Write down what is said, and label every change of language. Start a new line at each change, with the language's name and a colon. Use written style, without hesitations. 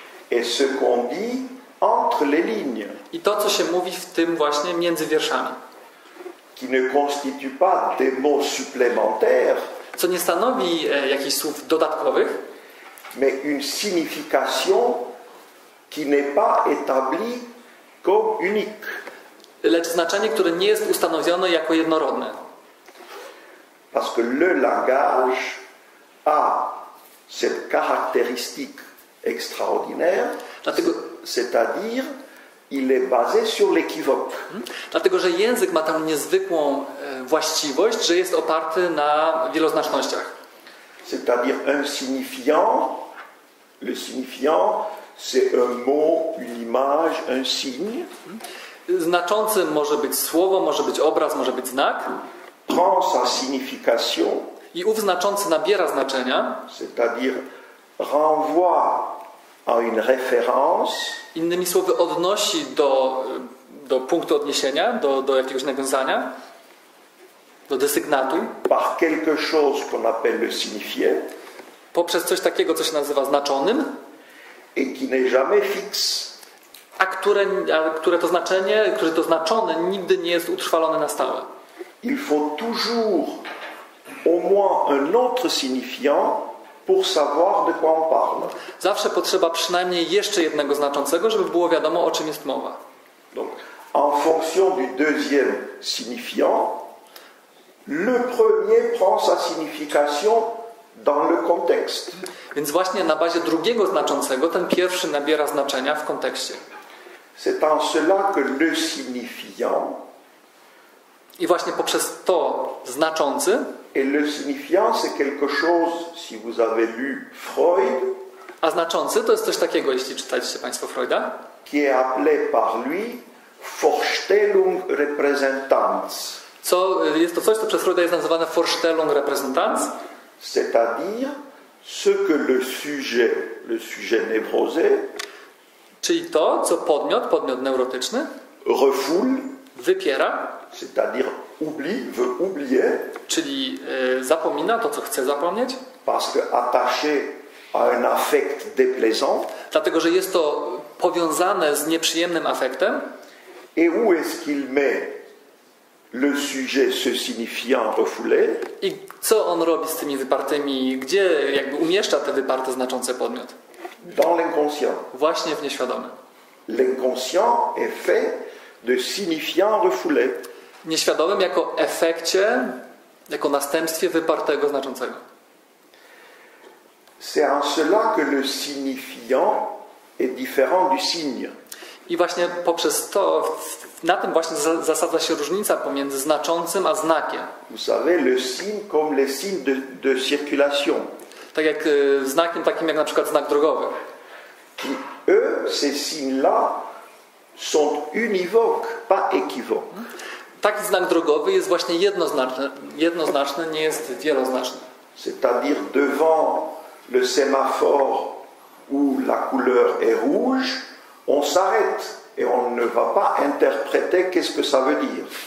French: Et ce qu'on dit entre les lignes.
Polish: I to, co się mówi w tym właśnie między wierszami.
French: Qui ne constitue pas des mots supplémentaires.
Polish: Co nie stanowi jakichś słów dodatkowych.
French: Mais une signification qui n'est pas établie comme unique.
Polish: Lecz znaczenie, które nie jest ustanowione jako jednorodne.
French: Parce que le langage a cette caractéristique extraordinaire, c'est-à-dire il est basé sur l'équivoque.
Polish: Dlatego, że język ma tę niezwykłą właściwość, że jest oparty na wieloznacznościach.
French: C'est-à-dire un signifiant. Le signifiant, c'est un mot, une image, un signe.
Polish: Znaczącym może być słowo, może być obraz, może być znak.
French: Prend sa signification.
Polish: I ów znaczący nabiera znaczenia.
French: C'est-à-dire renvoie à une référence.
Polish: Innymi słowy, odnosi do punktu odniesienia, do jakiegoś nawiązania, do desygnatu.
French: Par quelque chose qu'on appelle le signifié.
Polish: Poprzez coś takiego, co się nazywa znaczonym.
French: Et qui n'est jamais fixe.
Polish: A które to znaczenie, które to znaczone nigdy nie jest utrwalone na stałe.
French: il faut toujours au moins un autre signifiant pour savoir de quoi on parle.
Polish: Zawsze potrzeba przynajmniej jeszcze jednego znaczącego, żeby było wiadomo, o czym jest mowa.
French: Donc, en fonction du deuxième signifiant, le premier prend sa signification dans le contexte.
Polish: Więc właśnie na bazie drugiego znaczącego ten pierwszy nabiera znaczenia w kontekście.
French: C'est en cela que le signifiant.
Polish: I właśnie poprzez to znaczący.
French: Et le signifiant, c'est quelque chose, si vous avez lu Freud.
Polish: A znaczący to jest coś takiego, jeśli czytaliście państwo Freuda.
French: Qui est appelé par lui Vorstellung Repräsentanz.
Polish: Co jest to coś, co przez Freuda jest nazywane Vorstellung Repräsentanz?
French: C'est-à-dire ce que le sujet névrosé,
Polish: czyli to, co podmiot, podmiot neurotyczny,
French: refoule,
Polish: wypiera,
French: c'est-à-dire oublie, veut oublier,
Polish: czyli zapomina to, co chce zapomnieć,
French: parce que attaché à un affect déplaisant,
Polish: dlatego, że jest to powiązane z nieprzyjemnym afektem,
French: et où est-ce qu'il met le sujet se signifiant refoulé?
Polish: I co on robi z tymi wypartymi? Gdzie jakby umieszcza te wyparte znaczące podmiot?
French: Dans l'inconscient.
Polish: Właśnie w nieświadomym.
French: L'inconscient est fait de signifiant refoulé.
Polish: Nieświadomym jako efekcie, jako następstwie wypartego znaczącego.
French: C'est en cela que le signifiant est différent du signe.
Polish: I właśnie poprzez to, na tym właśnie zasadza się różnica pomiędzy znaczącym a znakiem.
French: Vous savez, le signe comme les signes de circulation.
Polish: Tak jak znakiem takim jak na przykład znak drogowy.
French: Qui, eux, ces signes-là sont univoques, pas équivoques.
Polish: Taki znak drogowy jest właśnie jednoznaczny, jednoznaczny, nie jest wieloznaczny.
French: C'est-à-dire devant le sémaphore où la couleur est rouge, on s'arrête et on ne va pas interpréter qu'est-ce que ça veut dire.